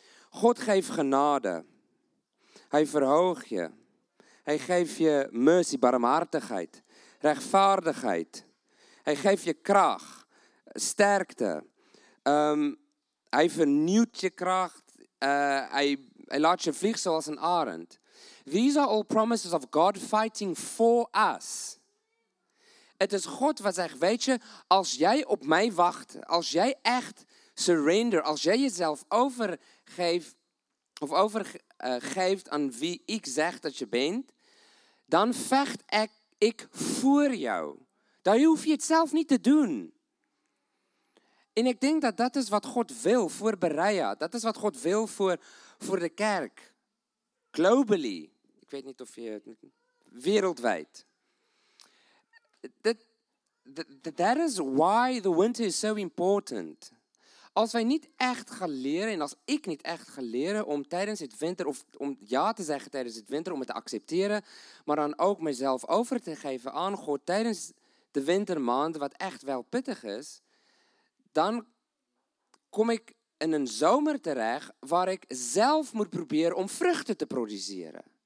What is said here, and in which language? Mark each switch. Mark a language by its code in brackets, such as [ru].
[nl] God geeft genade. Hij verhoogt je. Hij geeft je mercy, barmhartigheid, rechtvaardigheid. Hij geeft je kracht, sterkte. Hij vernieuwt je kracht. Hij laat je vliegen zoals een arend. [en] These are all promises of God fighting for us. [nl] Het is God wat zegt, weet je, als jij op mij wacht, als jij echt surrender, als jij jezelf overgeeft, of overgeeft aan wie ik zeg dat je bent, dan vecht ik voor jou. Dan hoef je het zelf niet te doen. En ik denk dat is wat God wil voor Berea. Dat is wat God wil voor de kerk. [en] Globally. [nl] Ik weet niet of je het... Wereldwijd. [en] That is why the winter is so important. [nl] Als wij niet echt gaan leren, en als ik niet echt ga leren om tijdens het winter, of om ja te zeggen tijdens het winter, om het te accepteren, maar dan ook mezelf over te geven aan God tijdens de wintermaanden, wat echt wel pittig is, dan kom ik in een zomer terecht waar ik zelf moet proberen om vruchten te produceren.